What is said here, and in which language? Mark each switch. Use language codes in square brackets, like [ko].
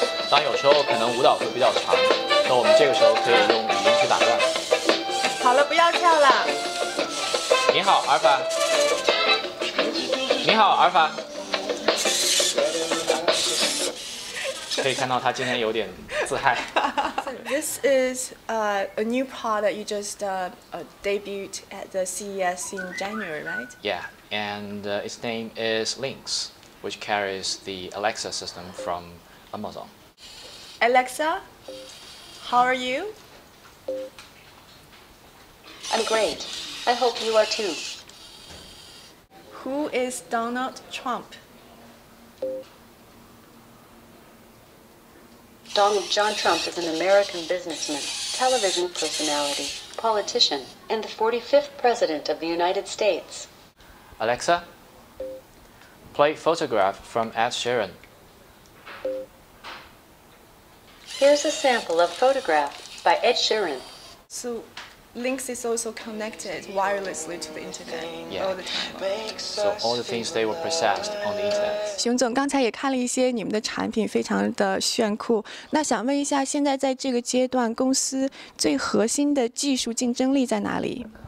[zh] 当有时候可能舞蹈会比较长，那我们这个时候可以用语音去打断。好了，不要跳了。你好，阿尔法。你好，阿尔法。可以看到他今天有点自嗨。 [en] This is a new product you just debuted at the CES in January, right? Yeah, and its name is Lynx, which carries the Alexa system from Amazon. Alexa, how are you? I'm great. I hope you are too. Who is Donald Trump? Donald John Trump is an American businessman, television personality, politician, and the 45th president of the United States. Alexa, play photograph from Ed Sheeran. Here's a sample of photograph by Ed Sheeran. So, Lynx is also connected wirelessly to the internet. Yeah. So all the things they were processed on the internet. [zh] 熊总刚才也看了一些你们的产品，非常的炫酷。那想问一下，现在在这个阶段，公司最核心的技术竞争力在哢里？